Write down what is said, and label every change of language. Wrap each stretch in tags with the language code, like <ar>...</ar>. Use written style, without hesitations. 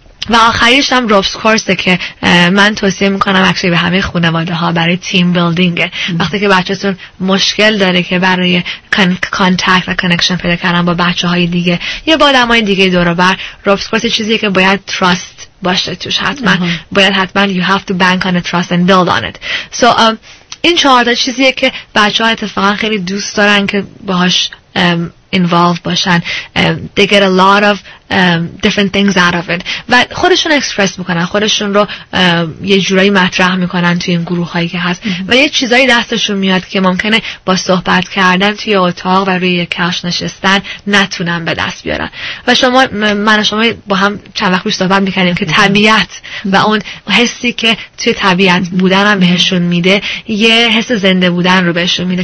<fa>و آخریش هم روپس کورسه که من توصیه میکنم اکشلی به همه خانواده ها برای تیم بیلدینگه. وقتی که بچه تون مشکل داره که برای کانتکت و کانکشن پیدا کردن با بچه های دیگه یا با آدم های دیگه دور و بر، روپس کورس چیزیه که باید تراست باشه توش حتما. باید حتما</fa> <en>you have to bank on a trust and build on it.</en> <fa>So این 4 تا چیزیه که بچه ها اتفاقا خیلی دوست دارن که باهاش involved باشن.</fa> <en>They get a lot of different things out of it.</en> <fa>و خودشون اکسپرس میکنن، خودشون رو یه جورایی مطرح میکنن توی این گروه هایی که هست. و یه چیزایی دستشون میاد که ممکنه با صحبت کردن توی اتاق و روی کاش نشستن نتونن به دست بیارن. و شما، من و شما با هم چند وقت پیش صحبت میکنیم که طبیعت و اون حسی که توی طبیعت بودن هم بهشون میده، یه حس زنده بودن رو بهشون میده.</fa>